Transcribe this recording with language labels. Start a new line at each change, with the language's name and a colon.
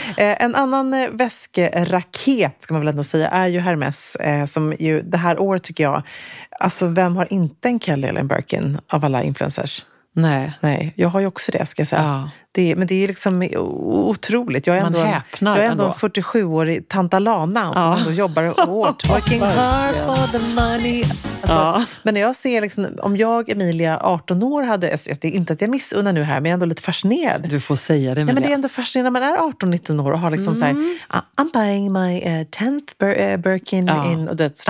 Swedish: En annan väskraket, ska man väl ändå säga, är ju Hermès, som ju det här året tycker jag, alltså vem har inte en Kelly eller en Birkin av alla influencers? Nej. Nej, jag har ju också det, ska jag säga. Ja. Men det är liksom otroligt. Jag är man häpnar ändå. Jag är ändå 47-årig Tanta Lana som ändå jobbar hårt.
English: Working hard for the money.
Swedish: Alltså, men när jag ser liksom, om jag, Emilia, 18 år hade, det är inte att jag missunnar nu här, men jag är ändå lite fascinerad. Du får säga det, Emilia. Men det är ändå fascinerande när man är 18-19 år och har liksom så här,
English: I'm buying my 10th Birkin in,
Swedish: och du vet,